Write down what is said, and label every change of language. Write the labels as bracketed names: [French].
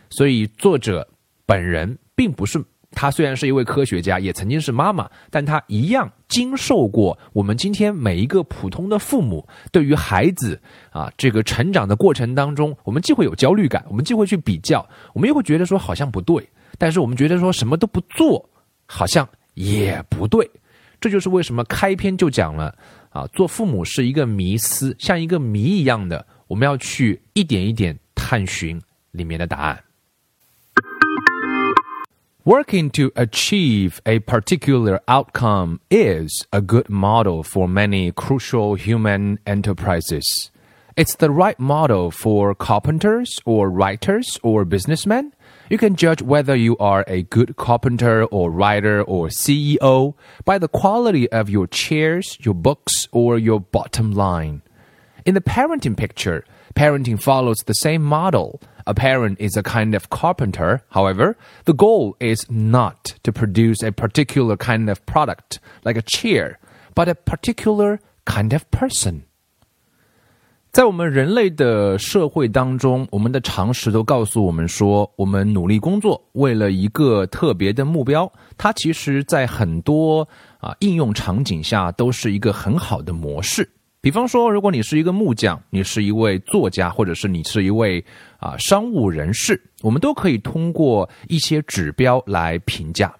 [Chinese] 所以作者本人并不是，他虽然是一位科学家也曾经是妈妈，但他一样经受过我们今天每一个普通的父母对于孩子这个成长的过程当中，我们既会有焦虑感，我们既会去比较，我们又会觉得说好像不对，但是我们觉得说什么都不做好像也不对。这就是为什么开篇就讲了做父母是一个迷思，像一个谜一样的，我们要去一点一点探寻里面的答案。 [English] Working to achieve a particular outcome is a good model for many crucial human enterprises. It's the right model for carpenters or writers or businessmen. You can judge whether you are a good carpenter or writer or CEO by the quality of your chairs, your books, or your bottom line. In the parenting picture, parenting follows the same model. A parent is a kind of carpenter, however, the goal is not to produce a particular kind of product, like a chair, but a particular kind of person. [Chinese] 在我们人类的社会当中，我们的常识都告诉我们说，我们努力工作为了一个特别的目标，它其实在很多应用场景下都是一个很好的模式。比方说，如果你是一个木匠，你是一位作家，或者是你是一位商务人士，我们都可以通过一些指标来评价。